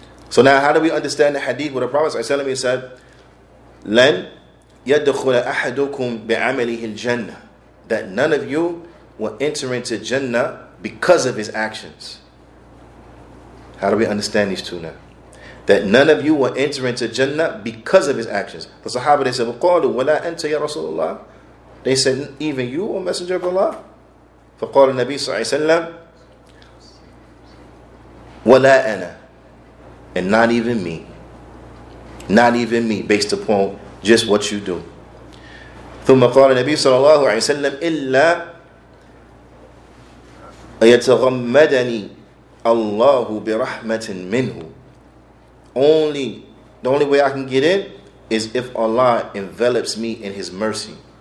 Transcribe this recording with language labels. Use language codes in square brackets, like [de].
[en] So now, how do we understand the hadith where the Prophet ﷺ said, [ar] لَنْ يَدْخُلَ أَحَدُكُمْ بِعَمَلِهِ الْجَنَّةِ [en] That none of you will enter into Jannah because of his actions. How do we understand these two now? That none of you will enter into Jannah because of his actions. The Sahaba, they said, [ar] وَقَالُوا وَلَا أَنْتَ يَا رَسُولُ اللَّهِ [en] They said, even you, O Messenger of Allah? [ar] فَقَالُ النَّبِي صَلَّى اللَّهِ وَسَلَّمْ وَلَا أَنَا [en] And not even me. Not even me, based upon just what you do. [ar] ثُمَّ قَالَ النَّبِي صَلَّى اللَّهُ عَلَيْهِ وَسَلَّمْ إِلَّا أَيَتَغَمَّدَنِي اللَّهُ بِرَحْمَةٍ مِّنْهُ [en] Only, the only way I can get in is if Allah envelops me in His mercy.